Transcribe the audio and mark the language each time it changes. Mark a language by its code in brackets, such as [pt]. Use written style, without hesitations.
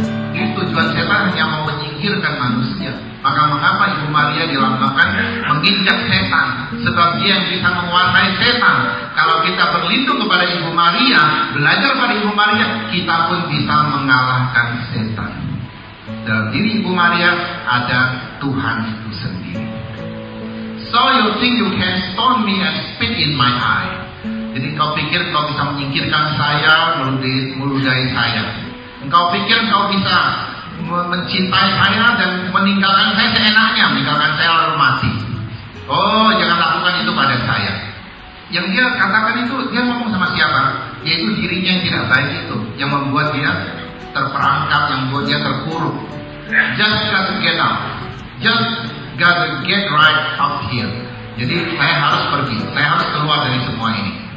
[id] Jadi tujuan setan hanya mau menyingkirkan manusia. Maka mengapa Ibu Maria dilambangkan menginjak setan? Sebab dia yang bisa menguasai setan. Kalau kita berlindung kepada Ibu Maria, belajar pada Ibu Maria, kita pun bisa mengalahkan setan. Dalam diri Ibu Maria ada Tuhan itu sendiri. [en] So you think you can stone me and spit in my eye? [id] Jadi kau pikir kau bisa menyingkirkan saya, meludahi saya. Engkau pikir kau bisa mencintai saya dan meninggalkan saya seenaknya, meninggalkan saya lalu mati. Oh, jangan lakukan itu pada saya. Yang dia katakan itu, dia ngomong sama siapa? Yaitu dirinya yang tidak baik itu, yang membuat dia terperangkap, yang membuat dia terpuruk. [en] Just got to get out. Just got to get right up here. [id] Jadi saya harus pergi, saya harus keluar dari semua ini.